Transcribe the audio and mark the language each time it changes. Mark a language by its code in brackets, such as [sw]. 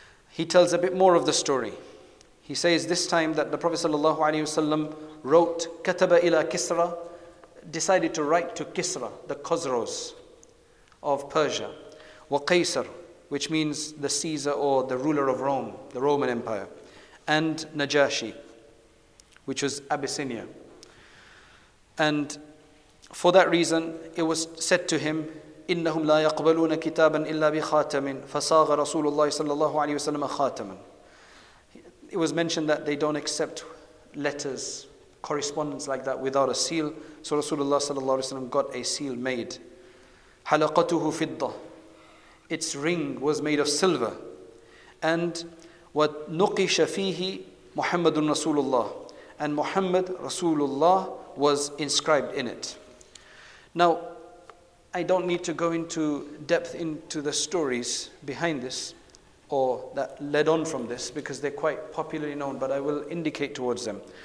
[en] He tells a bit more of the story. He says this time that the Prophet sallallahu alaihi wasallam wrote, kataba ila Kisra, decided to write to Kisra, the Khosrows of Persia, wa Qaisar, which means the Caesar or the ruler of Rome, the Roman Empire, and Najashi, which was Abyssinia. And for that reason, it was said to him, [ar] إِنَّهُمْ لَا يَقْبَلُونَ كِتَابًا إِلَّا بِخَاتَمٍ فَصَاغَ رَسُولُ اللَّهِ صَلَّى اللَّهُ عَلَيْهِ وَسَلَّمَ خَاتَمًا. [en] It was mentioned that they don't accept letters, correspondence like that without a seal. So Rasulullah [ar] صلى الله عليه وسلم [en] got a seal made. [ar] حَلَقَتُهُ فِضَّةٍ. [en] Its ring was made of silver. [ar] And وَنُقِشَ فِيهِ مُحَمَّدٌ رَسُولُ اللَّهِ. [en] And Muhammad Rasulullah was inscribed in it. Now, I don't need to go into depth into the stories behind this or that led on from this, because they're quite popularly known, but I will indicate towards them.